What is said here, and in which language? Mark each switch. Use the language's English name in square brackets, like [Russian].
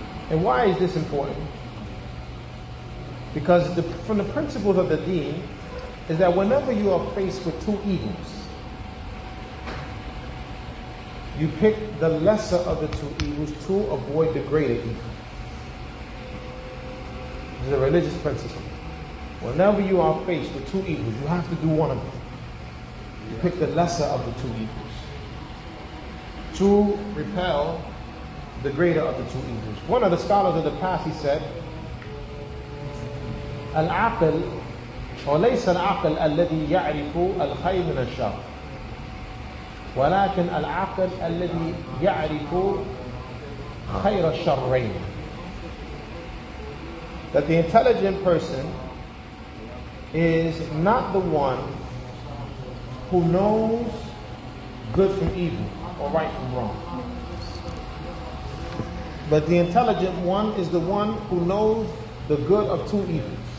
[English] And why is this important? Because from the principles of the deen is that whenever you are faced with two evils, you pick the lesser of the two evils to avoid the greater evil. This is a religious principle. Whenever you are faced with two evils, you have to do one of them. You pick the lesser of the two evils to repel the greater of the two evils. One of the scholars of the past, he said, Al-aql, or [Arabic] ليس العقل الذي يعرف الخير من الشر ولكن العقل الذي يعرف خير الشرين. [English] That the intelligent person is not the one who knows good from evil or right from wrong, but the intelligent one is the one who knows the good of two evils.